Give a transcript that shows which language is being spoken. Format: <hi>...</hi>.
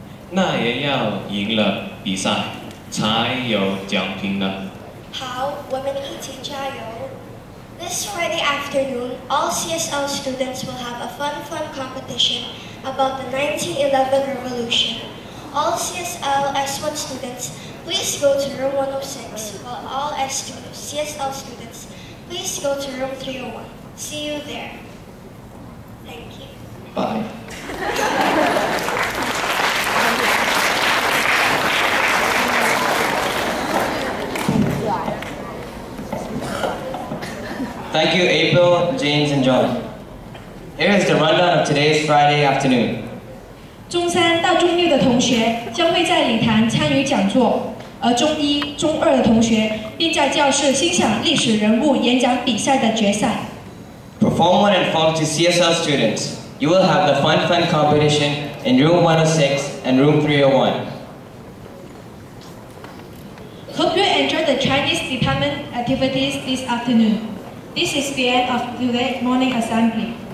<zh>那也要赢了比赛才有奖品呢。好，我们一起加油。</zh> <en>This Friday afternoon, all CSL students will have a fun competition about the 1911 revolution. All CSL S1 students, please go to room 106, while all CSL students, please go to room 301. See you there. Thank you. Bye. Thank you, April, James, and John. Here is the rundown of today's Friday afternoon.</en> <zh>中三到中六的同学将会在礼堂参与讲座，而中一、中二的同学并在教室欣赏历史人物演讲比赛的决赛。</zh> <en>Perform one and form to CSL students. You will have the fun competition in room 106 and room 301. Hope you enjoy the Chinese department activities this afternoon. This is the end of today's morning assembly.</en>